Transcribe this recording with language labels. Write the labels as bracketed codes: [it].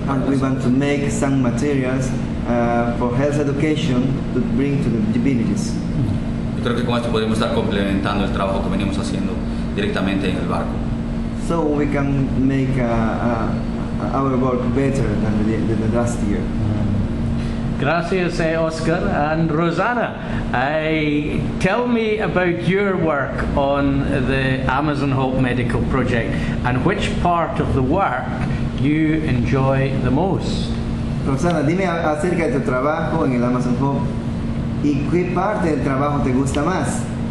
[en] And we want to make some materials for health education to bring to the villages. [es] Yo creo que con esto podemos estar complementando el trabajo que venimos haciendo directamente en el barco. [en] So we can make our work better than the last year. [es] Gracias, Oscar. [en] And Rosana, tell me about your work on the Amazon Hope Medical Project and which part of the work you enjoy the most. [es] Rosana, dime acerca de tu trabajo en el Amazon Hope y qué parte del trabajo te gusta más.